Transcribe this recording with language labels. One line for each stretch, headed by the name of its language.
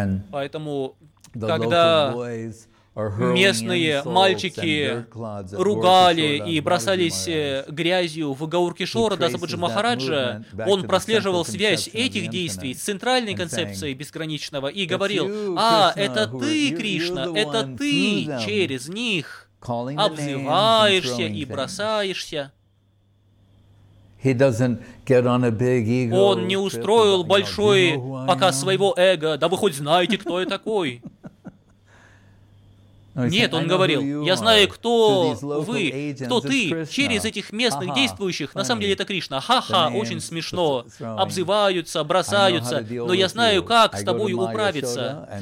Russian: Поэтому, когда местные мальчики ругали и бросались грязью в Гаур-Кишора Дасабаджи Махараджа, он прослеживал связь этих действий с центральной концепцией безграничного и говорил: «А, это ты, Кришна, это ты через них обзываешься и бросаешься».
English: He doesn't get on a big ego.
Russian: Он не устроил большой показ своего эго: «Да вы хоть знаете, кто я такой». Нет, он говорил, я знаю, кто вы, кто ты, через этих местных действующих, на самом деле это Кришна, ха-ха, очень смешно, обзываются, бросаются, но я знаю, как с тобой управиться.